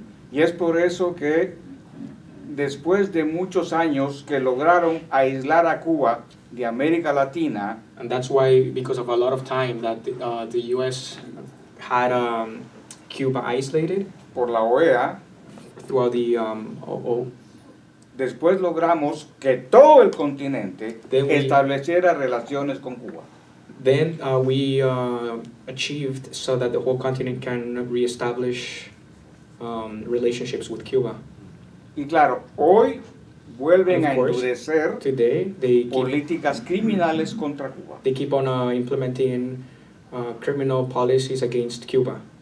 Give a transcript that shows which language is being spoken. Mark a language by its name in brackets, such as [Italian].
[Spanish] Y es por eso que después de muchos años que lograron aislar a Cuba de América Latina, [English] and that's why, because of a lot of time that the US had Cuba isolated [Spanish] por la OEA, [English] throughout the OO. [Spanish] Después logramos que todo el continente estableciera relaciones con Cuba. [English] Then we achieved so that the whole continent can reestablish relationships with Cuba. [Spanish] Y claro, hoy vuelven a endurecer políticas criminales contra Cuba. [English] They keep on implementing criminal policies against Cuba.